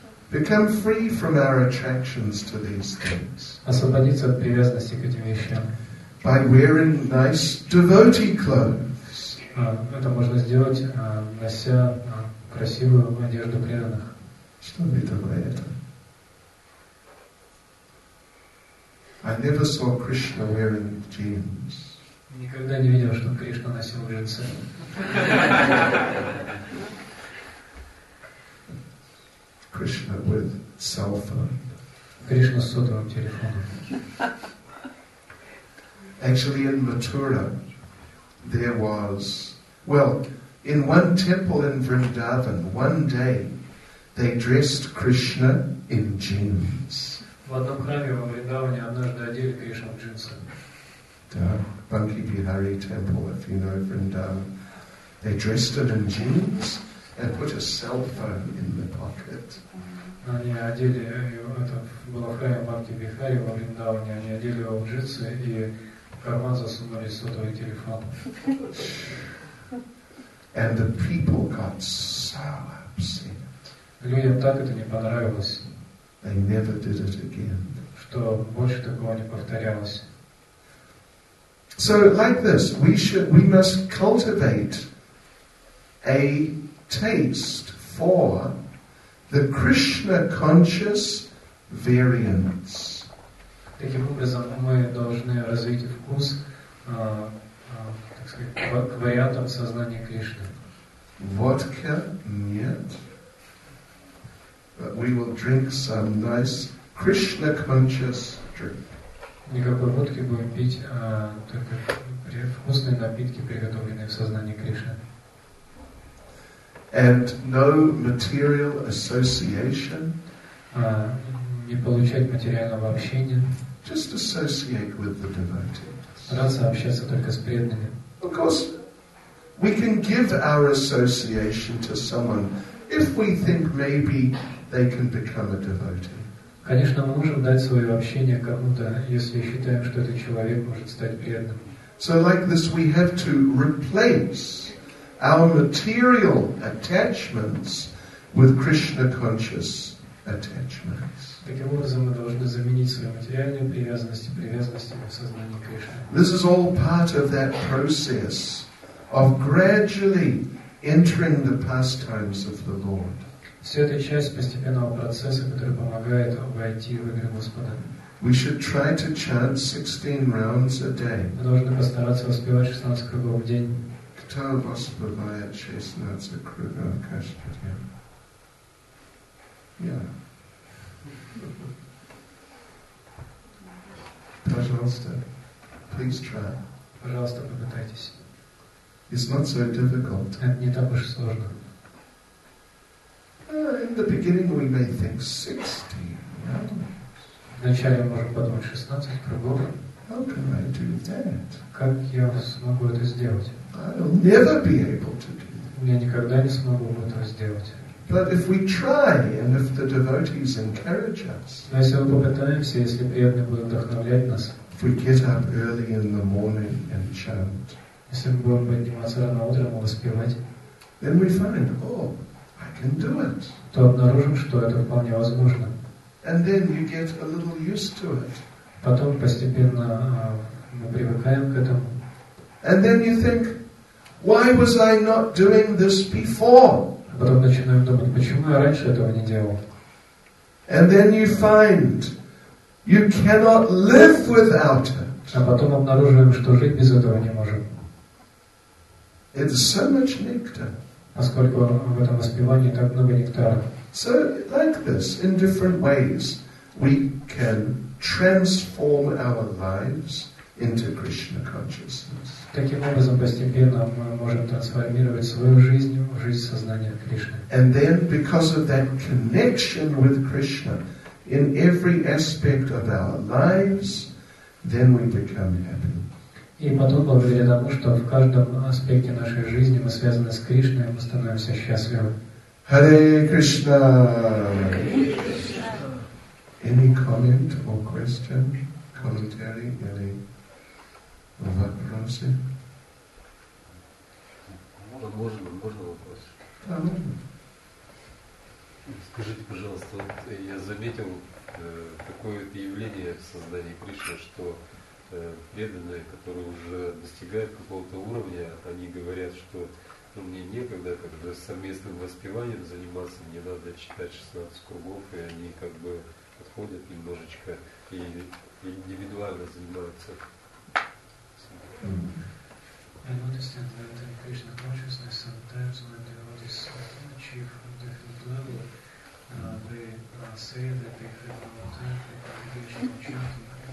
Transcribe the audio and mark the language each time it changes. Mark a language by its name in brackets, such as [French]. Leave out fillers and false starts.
[English] Become free from our attractions to these things. [Russian] Освободиться от привязанности к этим вещам. [English] By wearing nice devotee clothes. [Russian] Это можно сделать, нося красивую одежду преданных. Что вы думаете? [English] I never saw Krishna wearing jeans. [Russian] Никогда не видел, что Кришна носил джинсы. [English] Krishna with cell phone. [Russian] Кришна с сотовым телефоном. [English] Actually, in Mathura, there was, well, in one temple in Vrindavan, one day, they dressed Krishna in jeans. [Russian] В одном храме во Вриндаване однажды одели Кришну в джинсы. Да, [English] Банки Бихари temple, if you know Vrindavan, they dressed him in jeans and put a cell phone in the pocket. [Russian] Они одели его, это было в храме Банки Бихари во Вриндаване, они одели его в джинсы и в карман засунули сотовый телефон. [English] And the people got so upset. [Russian] Людям так это не понравилось. [English] They never did it again. [Russian] Что больше такого не повторялось. [English] So like this, we must cultivate a taste for the Krishna conscious variants. [Russian] Таким образом, мы должны развить вкус, так сказать, к вариантам сознания Кришны. Водка? Нет. [English] But we will drink some nice Krishna conscious drink. [Russian] Никакой водки будем пить, а только вкусные напитки, приготовленные в сознании Кришны. [English] And no material association. [Russian] не получать материального общения. [English] Just associate with the devotees. [Russian] Стараться общаться только с преданными. [English] Of course, we can give our association to someone if we think maybe they can become a devotee. [Russian] Конечно, мы можем дать свое общение кому-то, если считаем, что этот человек может стать преданным. [English] So like this, we have to replace our material attachments with Krishna conscious attachments. [Russian] Таким образом, мы должны заменить свои материальные привязанности привязанностями в сознании Кришны. [English] This is all part of that process of gradually entering the pastimes of the Lord. [Russian] Все это часть постепенного процесса, который помогает войти в игры Господа. [English] We should try to chant 16 rounds a day. [Russian] Мы должны постараться воспевать 16 кругов в день. Кто вас бывает 16 кругов каждый день? [English] Yeah. [Russian] Пожалуйста, [English] please try. [Russian] Пожалуйста, попытайтесь. [English] It's not so difficult. [Russian] Это не так уж сложно. [English] In the beginning we may think 16 rounds. [Russian] Вначале можем подумать 16 кругов. [English] How can I do that? [Russian] Как я смогу это сделать? [English] I will never be able to do [Russian] Я никогда не смогу этого сделать. [English] But if we try and if the devotees encourage us. [Russian] Но если мы попытаемся, если преданные будут вдохновлять нас. [English] If we get up early in the morning and chant. [Russian] Если мы будем подниматься рано утром и воспевать. [English] Then we find, can do it. [Russian] То обнаружим, что это вполне возможно. [English] And then you get a little used to it. [Russian] Потом постепенно мы привыкаем к этому. [English] And then you think, why was I not doing this before? [Russian] Потом начинаем думать, почему я раньше этого не делал. [English] And then you find, you cannot live without it. [Russian] А потом обнаруживаем, что жить без этого не можем. [English] It's so much nectar. [Russian] Поскольку в этом воспевании так много нектара. [English] So, like this, in different ways, we can transform our lives into Krishna consciousness. [Russian] Таким образом, постепенно мы можем трансформировать свою жизнь в жизнь сознания Кришны. [English] And then, because of that connection with Krishna, in every aspect of our lives, then we become happy. [Russian] И потом, благодаря тому, что в каждом аспекте нашей жизни мы связаны с Кришной, мы становимся счастливы. [English] Hare Krishna! Any comment or question? Commentary? [Russian] Или вопросы? Можно вопрос? Да, можно. Скажите, пожалуйста, вот я заметил такое явление в сознании Кришны, что преданные, которые уже достигают какого-то уровня, они говорят, что ну, мне некогда как бы совместным воспеванием заниматься, мне надо читать 16 кругов, и они как бы отходят немножечко и индивидуально занимаются. [English] I noticed that in Krishna consciousness sometimes when the devotees achieve a different level, they say that they have no time for meditation chanting.